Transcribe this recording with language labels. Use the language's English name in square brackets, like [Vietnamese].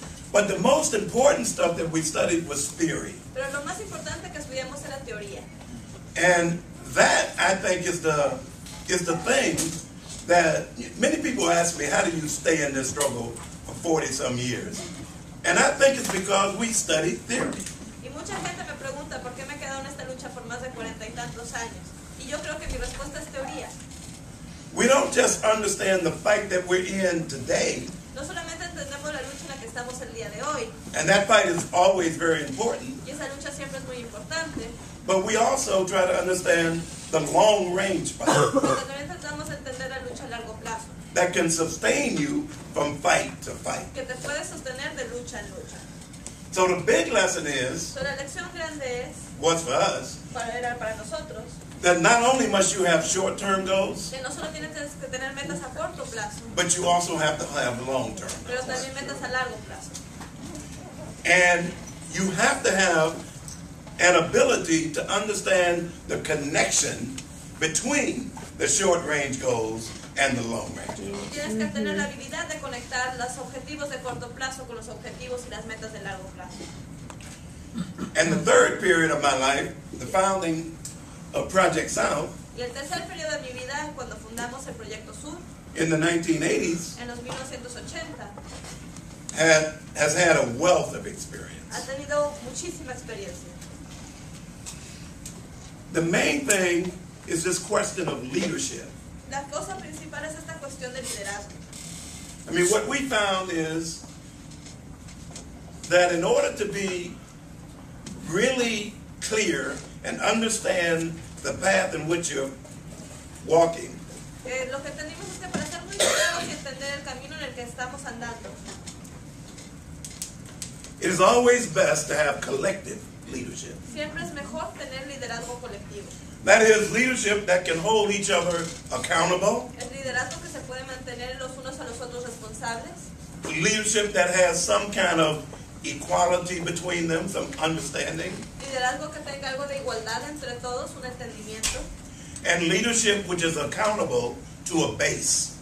[English] But the most important stuff that we studied was theory. [Spanish] Pero lo más importante que estudiamos era teoría. [English] And that, I think, is the thing that many people ask me, how do you stay in this struggle for 40-some years? And I think it's because we studied theory. [Spanish] Y mucha gente me pregunta, ¿por qué me he quedado en esta lucha por más de 40 y tantos años? Y yo creo que mi respuesta es teoría. [English] We don't just understand the fight that we're in today. [Spanish] No solamente entendemos la lucha en la que estamos el día de hoy. [English] And that fight is always very important. [Spanish] Y esa lucha siempre es muy importante. [English] But we also try to understand the long range fight. [Spanish] Pero también tratamos de entender la lucha a largo plazo. [English] That can sustain you from fight to fight. [Spanish] Que te puede sostener de lucha en lucha. [English] So the big lesson is, [Spanish] so la lección grande es, [English] what's for us, [Spanish] era para nosotros, [English] that not only must you have short-term goals, [Spanish] que no solo tienes que tener metas a corto plazo, [English] but you also have to have long-term [Spanish] pero [English] goals. [Spanish] También metas a largo plazo. [English] And you have to have an ability to understand the connection between the short-range goals and the long-range goals. [Spanish] Y tienes que tener la habilidad de conectar los objetivos de corto plazo con los objetivos y las metas de largo plazo. [English] And the third period of my life, the founding of Project South. [Spanish] Y el tercer periodo de mi vida, cuando fundamos el Proyecto Sur. [English] In the 1980s. [Spanish] En los 1980. [English] Has had a wealth of experience. [Spanish] Ha tenido muchísima experiencia. [English] The main thing is this question of leadership. [Spanish] La cosa principal es esta cuestión de liderazgo. [English] I mean, what we found is that in order to be really clear and understand the path in which you're walking. [Spanish] Lo que entendimos es que para ser muy claros y entender el camino en el que estamos andando. [English] It is always best to have collective leadership. [Spanish] Siempre es mejor tener liderazgo colectivo. [English] That is leadership that can hold each other accountable. [Spanish] El liderazgo que se puede mantener los unos a los otros responsables. [English] Leadership that has some kind of equality between them, some understanding. [Spanish] Liderazgo que tenga algo de igualdad entre todos, un entendimiento. [English] And leadership which is accountable to a base.